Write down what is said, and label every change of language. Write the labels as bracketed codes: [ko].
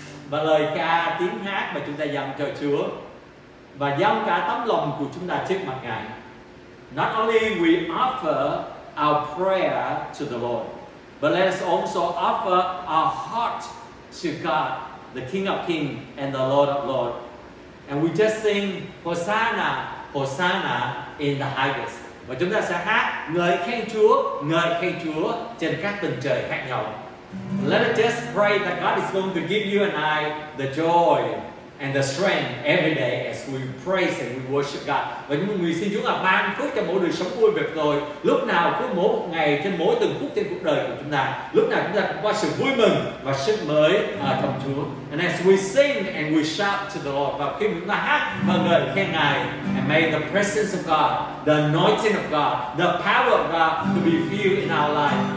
[vi] Và lời ca tiếng hát mà chúng ta dâng cho Chúa và dâng cả tấm lòng của chúng ta trước mặt Ngài. [en] Not only we offer our prayer to the Lord, but let us also offer our heart to God, the King of Kings and the Lord of Lords. And we just sing Hosanna, Hosanna in the highest. [vi] Và chúng ta sẽ hát ngợi khen Chúa trên các tầng trời khác nhau. [en] Let us just pray that God is going to give you and I the joy and the strength every day as we praise and we worship God. [vi] Và chúng mình xin Chúa ban phước cho mỗi đời sống vui vẻ rồi. Lúc nào cứ mỗi một ngày trên mỗi từng phút trên cuộc đời của chúng ta, lúc nào chúng ta cũng có sự vui mừng và sức mới trong Chúa. [en] And as we sing and we shout to the Lord, [vi] và khi chúng ta hát và ngợi khen Ngài, [en] and may the presence of God, the anointing of God, the power of God to be filled in our life.